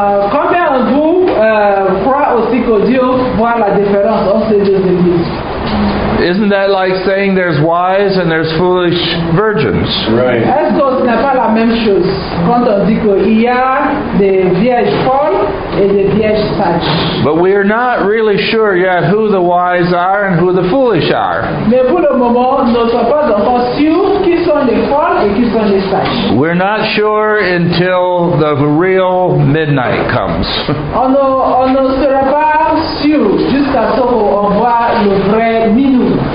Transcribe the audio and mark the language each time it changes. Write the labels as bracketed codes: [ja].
[fr] Combien de vous croient aussi que Dieu voit la différence entre ces deux églises? [en] Isn't that like saying there's wise and there's foolish virgins? Right. [fr] Est-ce que ce n'est pas la même chose quand on dit qu'il y a des vierges folles et des vierges sages? [en] But we are not really sure yet who the wise are and who the foolish are. [fr] Mais pour le moment, nous ne sommes pas encore sûrs qui sont les folles et qui sont les sages. [en] We're not sure until the real midnight comes. [fr] On ne sera pas sûr jusqu'à ce qu'on voit le vrai midnight.